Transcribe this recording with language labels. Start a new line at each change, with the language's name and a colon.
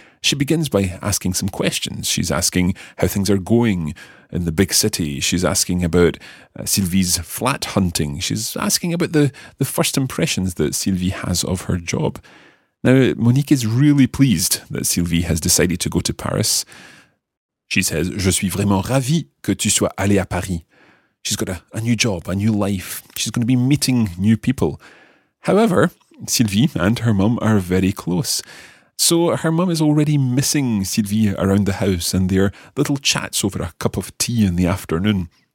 English: She begins by asking some questions. She's asking how things are going in the big city. She's asking about Sylvie's flat hunting. She's asking about the first impressions that Sylvie has of her job. Now, Monique is really pleased that Sylvie has decided to go to Paris. She says,
French: "Je suis vraiment ravie que tu sois allée à Paris."
English: She's got a new job, a new life. She's going to be meeting new people. However, Sylvie and her mum are very close. So her mum is already missing Sylvie around the house and their little chats over a cup of tea in the afternoon.